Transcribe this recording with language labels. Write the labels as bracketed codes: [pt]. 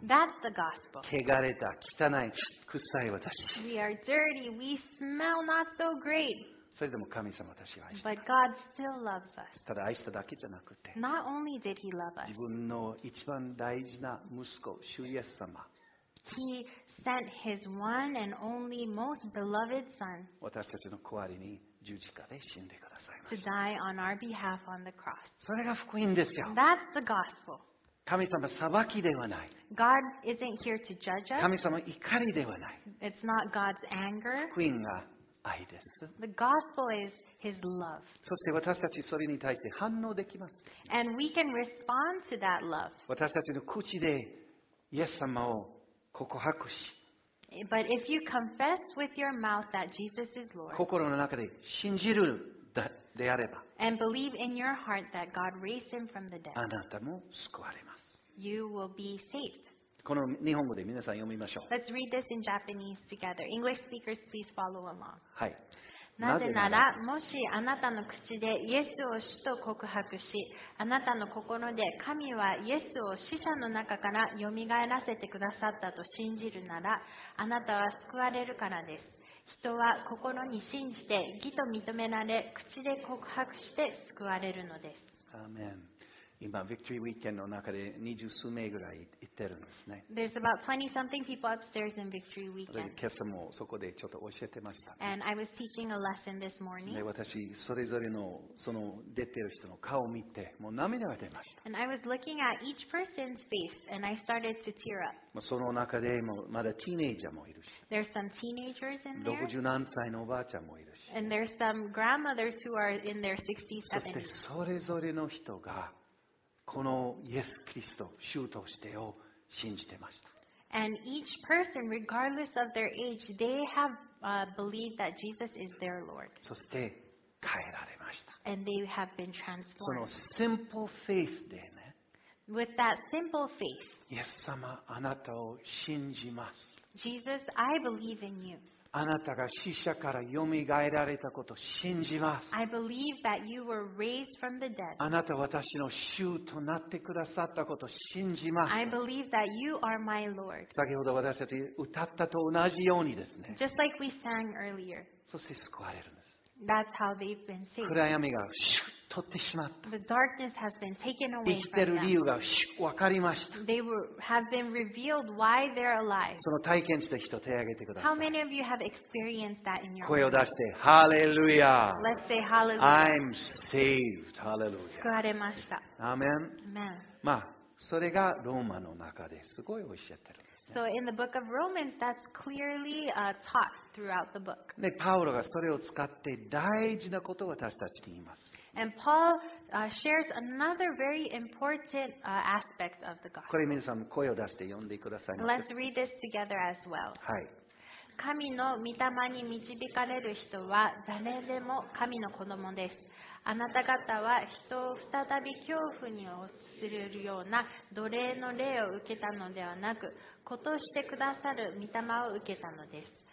[en] That's the gospel. [ja] 汚れた、汚い、臭い私。 [en] We are dirty. We smell not so great. [ja] それでも神様私を愛してます。 [en] But God still loves us. [ja] ただ愛しただけじゃなくて。 [en] Not only did He love us. [ja] 自分の一番大事な息子、主イエス様。 [en] He sent His one and only most beloved Son. [ja] 私たちの代わりに。十字架で死んでくださいました。 [en] To die on our behalf on the cross. [ja] それが福音ですよ。 [en] That's the gospel. [ja] 神様裁きではない。 [en] God isn't here to judge us. [ja] 神様怒りではない。 [en] It's not God's anger. [ja] 福音が愛です。 [en] The gospel is His love. [ja] そして私たちそれに対して反応できます。 [en] And we can respond to that love. [ja] 私たちの口でイエス様を告白し、 [en] But if you confess with your mouth that Jesus is Lord, [ja] 心の中で信じるであれば、 [en] and believe in your heart that God raised him from the dead, [ja] あなたも救われます。 [en] You will be saved. [ja] この日本語で皆さん読みましょう。 [en] Let's read this in Japanese together. English speakers, please follow along. [ja] はい。なぜなら、もしあなたの口でイエスを主と告白し、あなたの心で神はイエスを死者の中からよみがえらせてくださったと信じるなら、あなたは救われるからです。人は心に信じて義と認められ、口で告白して救われるのです。アーメン。今、Victory Weekendの中で二十数名ぐらい行ってるんですね。 [en] There's about 20-something people upstairs in Victory Weekend. [ja] 今朝もそこでちょっと教えてました。 [en] And I was teaching a lesson this morning. [ja] 私、それぞれのその出てる人の顔を見て、もう涙が出ました。 [en] And I was looking at each person's face, and I started to tear up. [ja] その中でもまだティーネイジャーもいるし。 [en] There's some teenagers in there. [ja] 六十何歳のおばあちゃんもいるし。 [en] And there's some grandmothers who are in their 60s, 70s. [ja] そしてそれぞれの人が、このイエス・キリスト、主としてを信じてました。 [en] And each person, regardless of their age, they have believed that Jesus is their Lord. [ja] そして変えられました。 [en] And they have been transformed. [ja] その [en] simple faith [ja] でね。 [en] With that simple faith. [ja] イエス様、あなたを信じます。 [en] Jesus, I believe in you. [ja] あなたが死者からよみがえられたことを信じます。 [en] I believe that you were raised from the dead. [ja] あなたは私の主となってくださったことを信じます。 [en] I believe that you are my Lord. [ja] 先ほど私たち歌ったと同じようにですね。 [en] Just like we sang earlier. [ja] そして救われるんです。 [en] That's how they've been saved. [ja] 暗闇がシュッ取ってしまった。 [en] The darkness has been taken away. [ja] 生きてる理由がシュッ分かりました。 [en] They have been revealed why they're alive. [ja] その体験した人手を挙げてください。 [en] How many of you have experienced that in your life? [ja] 声を出して、ハレルヤ。 [en] Let's say hallelujah. I'm saved. Hallelujah. [ja] 救われました。 [en] Amen. Amen. [ja] まあ、それがローマの中ですごいおっしゃってる。 [en] So in the book of Romans, that's clearly taught throughout the book. [ja] で、パウロがそれを使って大事なことを私たちに言います。 [en] And Paul shares another very important aspect of the gospel. [ja] これ皆さん声を出して読んでください。 [en] Let's read this together as well. [ja] はい。神の御霊に導かれる人は誰でも神の子供です。あなた方は人を再び恐怖に陥るような奴隷の霊を受けたのではなく、子としてくださる御霊を受けたのです。